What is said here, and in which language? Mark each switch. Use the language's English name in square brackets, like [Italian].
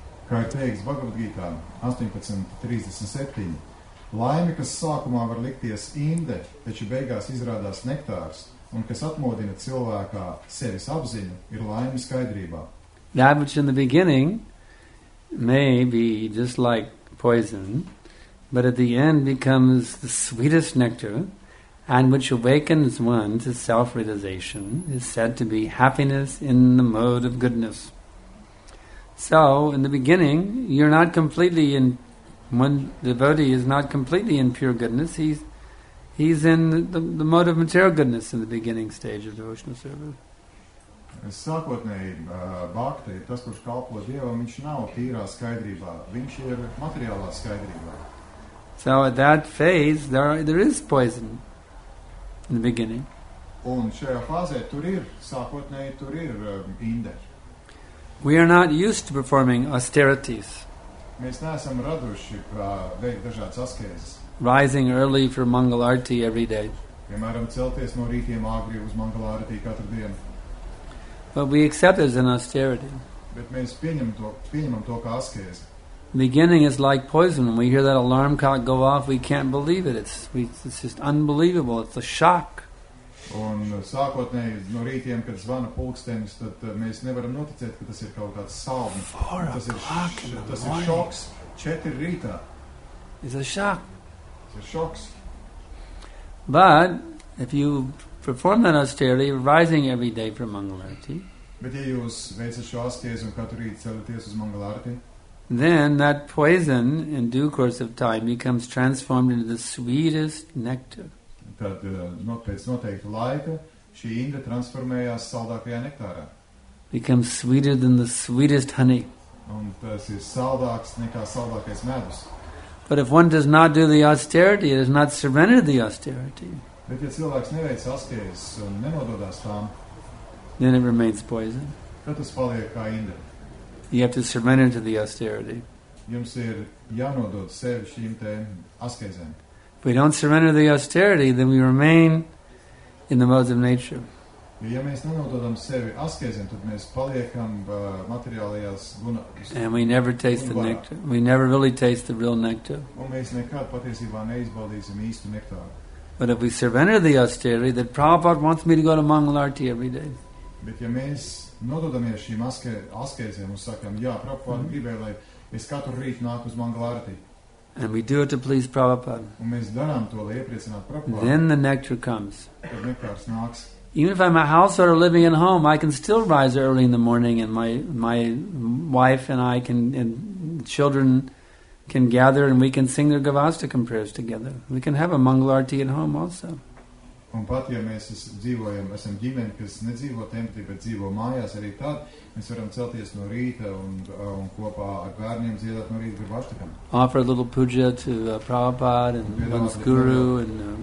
[Latvian] Kā ir teiks Bhagavad Gita, 18.37, Laime, kas sākumā var likties inde, taču beigās izrādās nektārs, un kas atmodina cilvēkā sevis apziņu, ir laime skaidrībā. [English] That which in the beginning may be just like poison, but at the end becomes the sweetest nectar, and which awakens one to self-realization, is said to be happiness in the mode of goodness. So, in the beginning, you're not completely in One devotee is not completely in pure goodness, he's in the mode of material goodness in the beginning stage of devotional service. [Latvian] Sākotnēji bhakti, tas, kurš kalpo Dievam, viņš nav tīrā skaidrībā, viņš ir materiālā skaidrībā. [English] So at that phase, there is poison in the beginning. [Latvian] Un šajā fāzē tur ir, sākotnēji tur ir inde. [English] We are not used to performing austerities. [Latvian] Mēs neesam raduši veikt dažādas askēzes. [English] Rising early for Mangal Arati every day. [Latvian] Piemēram, celties no rītiem āgri uz Mangal Arati katru dienu. [English] But we accept it as an austerity. [Latvian] Bet mēs pieņemam to kā askēzi. [English] Beginning is like poison. When we hear that alarm clock go off, we can't believe it. It's just unbelievable. It's a shock. [Latvian] Un sākotnēji no rītiem, kad zvana pulkstenis, tad mēs nevaram noticēt, ka tas ir kaut kāds salmi. Tas ir šoks. 4 rītā. [English] It's a shock. It's a shocks. But, if you perform that austerity, rising every day for Mangal Arati, [Latvian] bet ja jūs veicat šo astiezi un katru rītu celaties uz Mangal Arati, [English] then that poison, in due course of time, becomes transformed into the sweetest nectar. [Latvian] Tad pēc noteikta laika šī inde transformējās saldākajā nektārā. [English] Becomes sweeter than the sweetest honey. [Latvian] Un tas ir saldāks nekā saldākais medus. [English] But if one does not do the austerity, it does not surrender the austerity. [Latvian] Bet ja cilvēks neveic astēs un nenododās tām, [English] then it remains poison. [Latvian] Tad tas paliek kā inde. [English] You have to surrender to the austerity. [Latvian] Jums ir jānodod sevi šīm tēm askēzēm. [English] We don't surrender the austerity, then we remain in the modes of nature. [Latvian] Ja mēs nenododam sevi askēzēm, tad mēs paliekam materiālajās gunās. [English] And we never taste the nectar. We never really taste the real nectar. [Latvian] Un mēs nekad patiesībā neizbaudīsim īstu nektāru. [English] But if we surrender the austerity, then Prabhupāda wants me to go to Mangal Arati every day. [Latvian] Bet ja mēs nododamies šīm askēzēm un sakam, jā, Prabhupāda gribēja, lai es katru rītu nāku uz Mangal Arati. [English] And we do it to please Prabhupada. [Latvian] Un mēs darām to, lai iepriecinātu Prabhupada. [English] Then the nectar comes. [Latvian] Tad nektārs nāks. [English] Even if I'm a householder living at home, I can still rise early in the morning and my wife and I can and children can gather and we can sing their Gavastakam prayers together. We can have a Mangal Arati at home also. [Latvian] Un pat ja mēs dzīvojam, esam ģimeni, kas nedzīvo templī, bet dzīvo mājās arī tad, mēs varam celties no rīta un kopā ar bērniem dziedāt no rīta Gavastakam. [English] Offer a little puja to Prabhupada and one's guru and